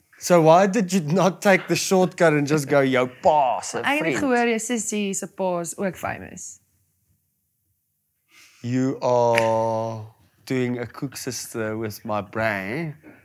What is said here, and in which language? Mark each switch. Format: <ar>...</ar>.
<en>So why did you not take the shortcut and just go</en> <af>jou pa se vriend? Ek het gehoor jou sissy se pa is ook famous.</af> <en>You are doing a cook sister with my brain.</en>